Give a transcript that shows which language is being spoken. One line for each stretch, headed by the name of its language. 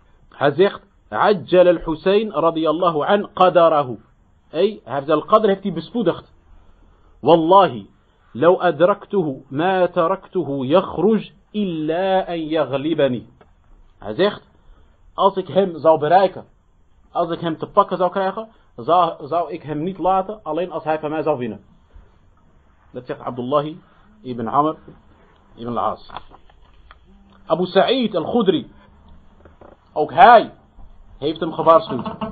Dutch: Hij zegt,
Arabic: عجل الحسين رضي الله عن قدره.
Dutch: Hij heeft al qadr heeft hij bespoedigd.
Arabic: Wallahi, لو أدركته ما تركته يخرج إلا أن يغلبني.
Dutch: Hij zegt, als ik hem zou bereiken, als ik hem te pakken zou krijgen, zou ik hem niet laten, alleen als hij van mij zou winnen. Dat zegt Abdullah ibn Amr ibn al-As. Abu Sa'id al-Khudri, ook hij heeft hem gewaarschuwd.